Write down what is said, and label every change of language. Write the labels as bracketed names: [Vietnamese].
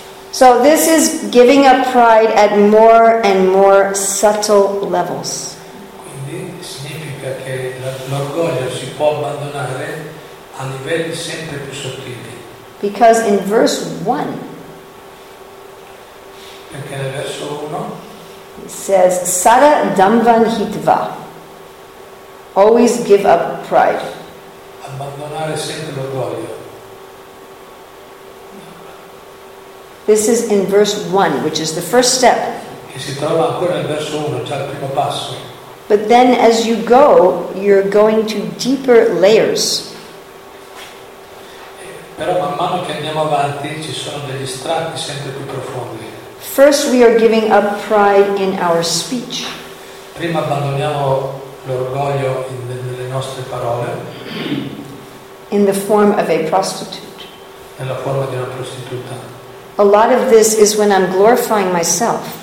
[English] So this is giving up pride at more and more subtle levels. [Italian] Quindi significa che l'orgoglio si può abbandonare a livelli sempre più sottili. [English] Because in verse 1 it says sada damvan hitva, always give up pride. [Italian] Abbandonare sempre l'orgoglio. [English] This is in verse 1, which is the first step. [Italian] Che si trova ancora nel verso 1, cioè il primo passo. [English] But then as you go, you're going to deeper layers. [Italian] Però man mano che andiamo avanti ci sono degli strati sempre più profondi. [English] First we are giving up pride in our speech. [Italian] Prima abbandoniamo l'orgoglio nelle nostre parole. [English] In the form of a prostitute. [Italian] Nella forma di una prostituta. [English] A lot of this is when I'm glorifying myself.